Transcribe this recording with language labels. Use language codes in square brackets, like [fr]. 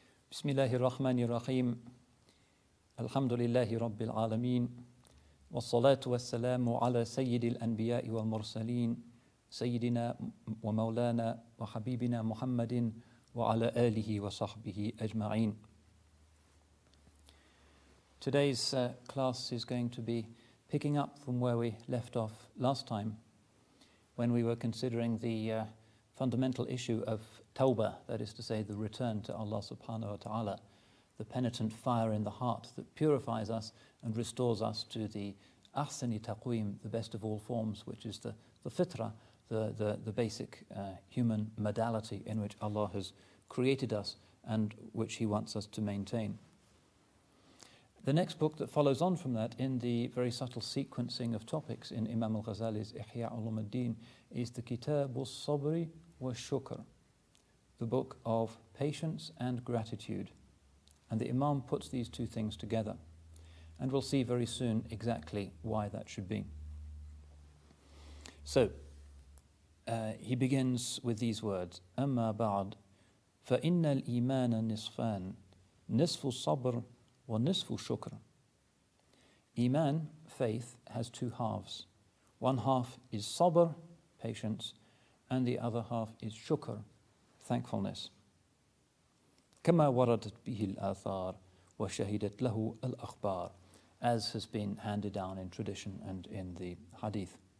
[ar] بسم الله الرحمن الرحيم الحمد لله رب العالمين والصلاة والسلام على سيد الأنبياء والمرسلين سيدنا ومولانا وحبيبنا محمد وعلى آله وصحبه أجمعين. [en] Today's class is going to be picking up from where we left off last time, when we were considering the fundamental issue of tawbah, that is to say, the return to Allah subhanahu wa ta'ala, the penitent fire in the heart that purifies us and restores us to the ahsani taqwim, the best of all forms, which is the fitrah, the basic human modality in which Allah has created us and which He wants us to maintain. The next book that follows on from that in the very subtle sequencing of topics in Imam al-Ghazali's Ihya Ulum al-Din is the Kitab al-Sabri wa-Shukr, the book of patience and gratitude. And the Imam puts these two things together. And we'll see very soon exactly why that should be. So, he begins with these words, [ar] أَمَّا بَعْدْ فَإِنَّ الْإِيمَانَ نِصْفَانْ نِصْفُ الصَّبْرْ وَنِصْفُ الشُّكْرْ. [en] Iman, faith, has two halves. One half is sabr, patience, and the other half is shukr, thankfulness. [ar] كَمَا وَرَدَتْ بِهِ الْآثَارِ وَشَهِدَتْ لَهُ الْأَخْبَارِ, [en] as has been handed down in tradition and in the hadith.